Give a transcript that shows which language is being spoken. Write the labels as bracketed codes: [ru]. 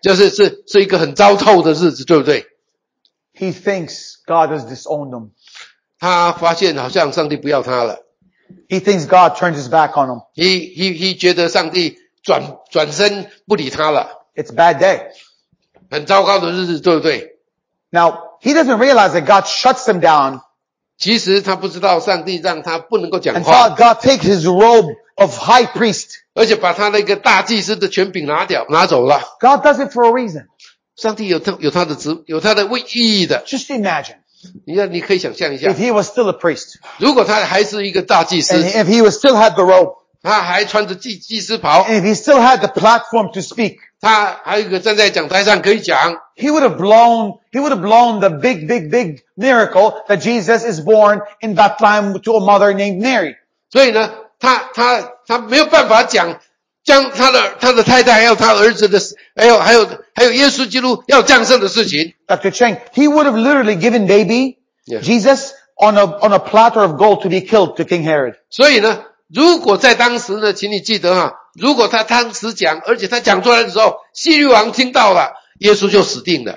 [zh] 就是一个很糟透的日子，对不对？ [en] He thinks God has disowned him. [zh] 他发现好像上帝不要他了。 [en] He thinks God turns his back on him. He [zh] 觉得上帝转身不理他了。 [en] It's a bad day. [zh] 很糟糕的日子, 对不对? [en] Now, he doesn't realize that God shuts him down. [zh] 其实他不知道上帝让他不能够讲话。 [en] And God takes his robe of high priest. [zh] 而且把他那个大祭司的权柄拿走了。 [en] God does it for a reason. [zh] 上帝有他的意义的。 [en] Just imagine. [zh] 你可以想象一下。 [en] If he was still a priest. [zh] 如果他还是一个大祭司, [en] and if he was still had the robe. [zh] 他还穿着祭司袍, [en] and if he still had the platform to speak. [zh] 他还有一个站在讲台上可以讲, [en] he would have blown the big miracle that Jesus is born in Bethlehem to a mother named Mary. [zh] 所以呢, 他没有办法讲将他的太太还有他儿子的还有耶稣基督要降生的事情。 [en] Dr. Cheng, he would have literally given baby Jesus on a platter of gold to be killed to King Herod. [zh] 所以呢, 如果在当时呢请你记得啊, 如果他当时讲, 而且他讲出来的时候, 希律王听到了, 耶稣就死定了。